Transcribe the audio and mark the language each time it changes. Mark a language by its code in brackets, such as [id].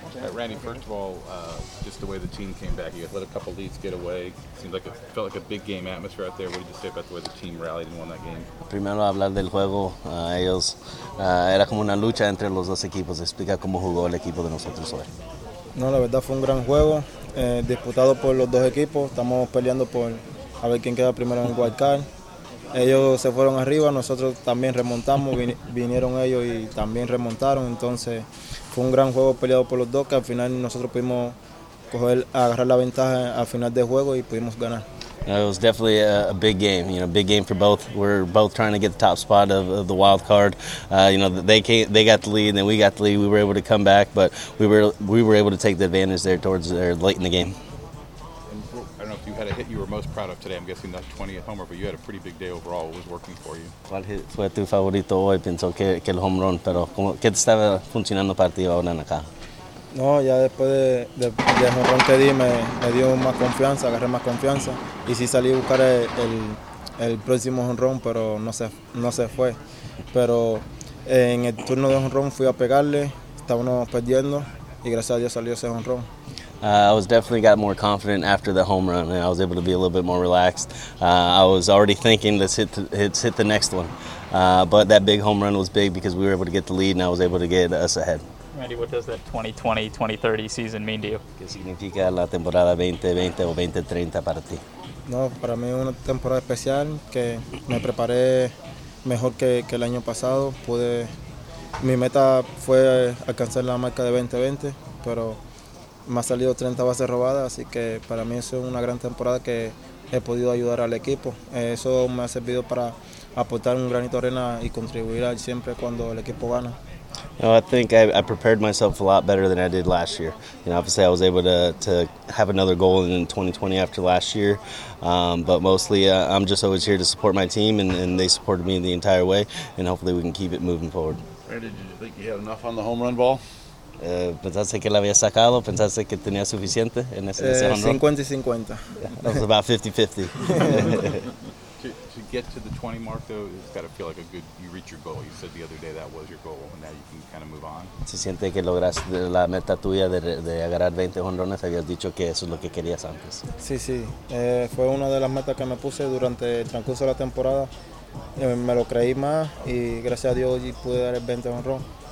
[en] Randy, first of all, just the way the team came back, you guys let a couple leads get away. Seemed like it felt like a big game atmosphere out there. What did you say about the way the team rallied and won that game? [es] Primero hablar del juego, ellos era como una lucha entre los dos equipos. Explica cómo jugó el equipo de nosotros hoy. No, la verdad fue un gran juego, disputado por los dos equipos. Estamos peleando por a ver quién queda primero en el wild card. Ellos se fueron arriba, nosotros también remontamos, vinieron ellos y también remontaron. Entonces fue un gran juego peleado por los dos, que al final nosotros pudimos coger, agarrar la ventaja al final del juego y pudimos ganar. [en] It was definitely a big game, you know, big game for both. We're both trying to get the top spot of the wild card. You know, they got the lead, and then we got the lead. We were able to come back, but we were able to take the advantage there towards there late in the game. And I don't know if you had a hit you were most proud of today. I'm guessing that 20th homer, but you had a pretty big day overall. What was working for you? [es] ¿Cuál hit fue tu favorito hoy? Pensó que el home run, pero ¿qué te estaba funcionando para ti ahora en acá? No, ya después de home run que di, me dio más confianza, agarré más confianza. Y sí salí a buscar el próximo home run, pero no se fue. Pero en el turno de home run fui a pegarle, estábamos perdiendo, y gracias a Dios salió ese home run. [en] I was definitely got more confident after the home run, and I was able to be a little bit more relaxed. I was already thinking, let's hit the next one. But that big home run was big because we were able to get the lead, and I was able to get us ahead. Randy, what does that 2020-2030 season mean to you? [es] ¿Qué significa la temporada 2020 o 2030 para ti? No, para mí es una temporada especial que me preparé mejor que el año pasado. Mi meta fue alcanzar la marca de 2020, pero me ha salido 30 bases robadas, así que para mí es una gran temporada que he podido ayudar al equipo. Eso me ha servido para aportar un granito de arena y contribuir siempre cuando el equipo gana. [en] No, I think I prepared myself a lot better than I did last year. You know, obviously I was able to have another goal in 2020 after last year. But mostly I'm just always here to support my team, and they supported me the entire way, and hopefully we can keep it moving forward. Where did you think you had enough on the home run ball? [es] Pensaste que la había sacado, pensaste que tenía suficiente en ese home run? 50-50. [en] That was about 50-50. To get to the 20 mark, though, it's got to feel like you reach your goal. You said the other day that was your goal, and now you can kind of move on. [es] Se siente que lograste la meta tuya de agarrar 20 jonrones. Habías dicho que eso es lo que querías antes. Sí, sí. Fue una de las metas que me puse durante el transcurso de la temporada. Me lo creí más, y gracias a Dios pude dar el 20 jonrón.